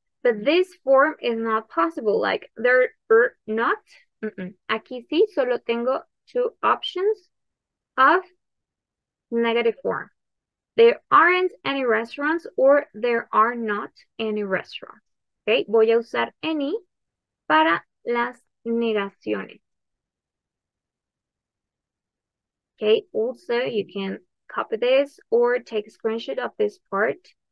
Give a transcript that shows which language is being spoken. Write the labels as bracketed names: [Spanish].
[English] But this form is not possible, like there are not. [Spanish] Aquí sí, solo tengo [English] two options of negative form. There aren't any restaurants or there are not any restaurants. [Spanish] Okay, voy a usar any para las negaciones. [English] Okay, also you can copy this or take a screenshot of this part.